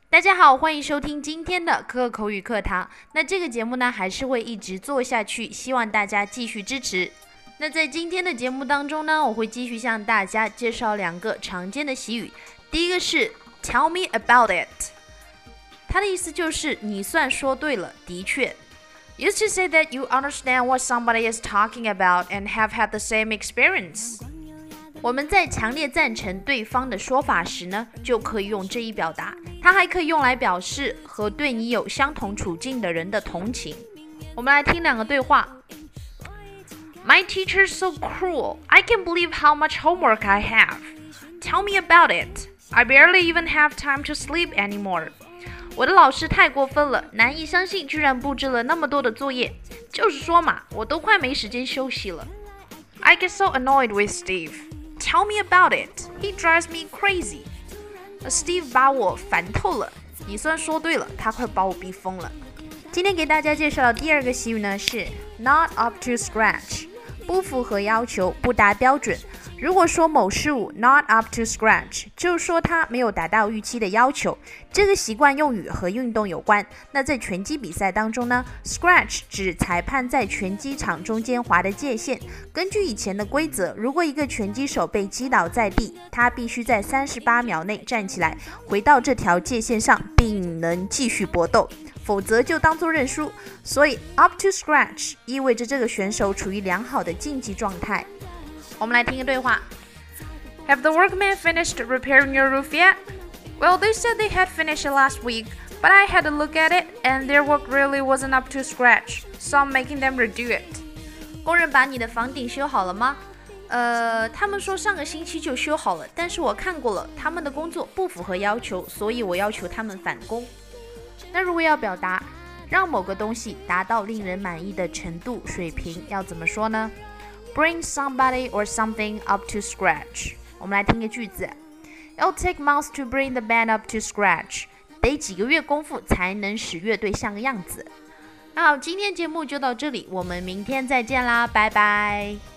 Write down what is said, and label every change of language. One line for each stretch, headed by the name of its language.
Chinese: 家好，欢迎收听今天的可口语课堂。那这个节目呢，还是会一直做下去，希望大家继续支持。那在今天的节目当中呢，我会继续向大家介绍两个常见的习语。第一个是 Tell me about it，它的意思就是你算说对了，的确。
English: Used to say that you understand what somebody is talking about and have had the same experience。
Chinese: 我们在强烈赞成对方的说法时呢，就可以用这一表达。它还可以用来表示和对你有相同处境的人的同情。我们来听两个对话。 My teacher is so cruel.
English: I can't believe how much homework I have. Tell me about it. I barely even have time to sleep anymore.
Chinese: 我的老师太过分了，难以相信居然布置了那么多的作业。就是说嘛，我都快没时间休息了。
English: I get so annoyed with Steve. Tell me about it. He drives me crazy.
Chinese: Steve 把我烦透了。你算说对了，他快把我逼疯了。今天给大家介绍的第二个习语呢是 not up to scratch。不符合要求，不达标准。如果说某事物 not up to scratch， 就说它没有达到预期的要求。这个习惯用语和运动有关。那在拳击比赛当中呢， scratch 指裁判在拳击场中间划的界限。根据以前的规则，如果一个拳击手被击倒在地，他必须在38秒内站起来，回到这条界限上，并能继续搏斗，否则就当作认输。所以 up to scratch 意味着这个选手处于良好的竞技状态。我们来听个对话。
English: Have the workmen finished repairing your roof yet? Well, they said they had finished it last week, but I had a look at it, and their work really wasn't up to scratch, so I'm making them redo it.
Chinese: 工人把你的房顶修好了吗？他们说上个星期就修好了，但是我看过了，他们的工作不符合要求，所以我要求他们返工。那如果要表达让某个东西达到令人满意的程度水平，要怎么说呢？
English: Bring somebody or something up to scratch.
Chinese: 我们来听个句子。
English: It'll take months to bring the band up to scratch.
Chinese: 得几个月功夫才能使乐队像个样子。那好，今天节目就到这里，我们明天再见啦，拜拜。